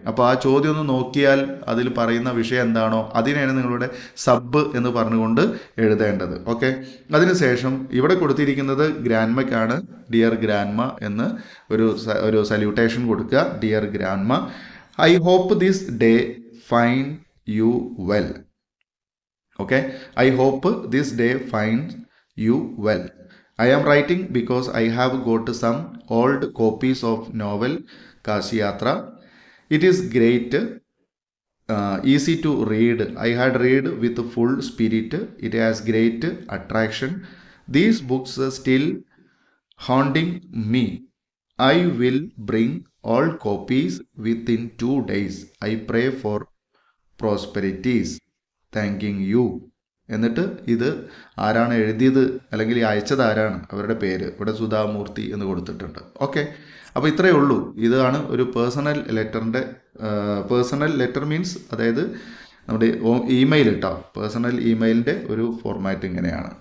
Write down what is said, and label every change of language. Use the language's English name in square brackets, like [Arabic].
[Malayalam] അപ്പോൾ ആ ചോദ്യം ഒന്ന് നോക്കിയാൽ അതിൽ പറയുന്ന വിഷയം എന്താണോ അതിനാണ് നിങ്ങളുടെ സബ് എന്ന് പറഞ്ഞുകൊണ്ട് എഴുതേണ്ടത്. ഓക്കെ, അതിനുശേഷം ഇവിടെ കൊടുത്തിരിക്കുന്നത് ഗ്രാൻഡ്മയ്ക്കാണ്. [English] dear grandma [Malayalam] എന്ന് ഒരു സല്യൂട്ടേഷൻ കൊടുക്കുക. [English] Dear grandma, I hope this day fine you well. Okay, I hope this day fine you well. I am writing because I have got some old copies of novel Kashi Yatra. It is great, easy to read. I had read with full spirit. It has great attraction. These books are still haunting me. I will bring all copies within 2 days. I pray for prosperities. Thanking you. [Malayalam] എന്നിട്ട് ഇത് ആരാണ് എഴുതിയത് അല്ലെങ്കിൽ അയച്ചത് ആരാണ്, അവരുടെ പേര് ഇവിടെ സുധാമൂർത്തി എന്ന് കൊടുത്തിട്ടുണ്ട്. ഓക്കെ, അപ്പോൾ ഇത്രയേ ഉള്ളൂ. ഇതാണ് ഒരു പേഴ്സണൽ ലെറ്ററിൻ്റെ, പേഴ്സണൽ ലെറ്റർ മീൻസ് അതായത് നമ്മുടെ ഇമെയിൽ ഇട്ടോ, പേഴ്സണൽ ഇമെയിലിൻ്റെ ഒരു ഫോർമാറ്റ് ഇങ്ങനെയാണ്.